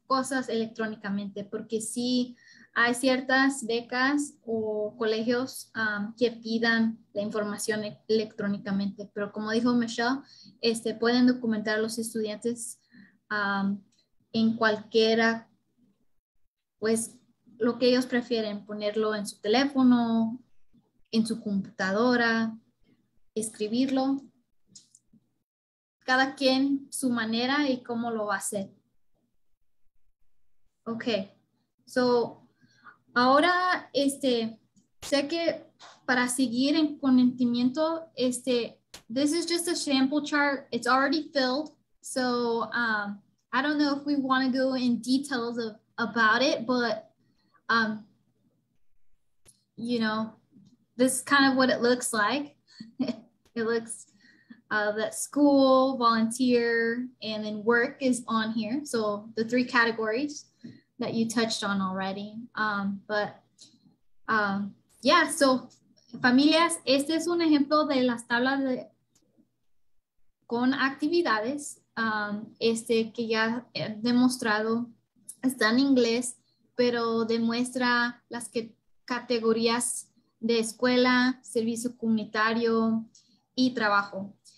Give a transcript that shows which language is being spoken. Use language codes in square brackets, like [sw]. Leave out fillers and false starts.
[es] cosas electrónicamente, porque sí hay ciertas becas o colegios que pidan la información electrónicamente, pero como dijo Michelle, pueden documentar a los estudiantes en cualquiera, pues lo que ellos prefieren, ponerlo en su teléfono, en su computadora, escribirlo. Cada quien su manera y cómo lo va a hacer. [en] Ok, so ahora sé que para seguir en conocimiento, this is just a sample chart, it's already filled, so I don't know if we want to go in details of, about it, but you know, this is kind of what it looks like. It looks that school, volunteer, and then work is on here. So the three categories that you touched on already. [es] Yeah, so familias, este es un ejemplo de las tablas de, con actividades que ya he demostrado. Está en inglés, pero demuestra las que, categorías de escuela, servicio comunitario y trabajo.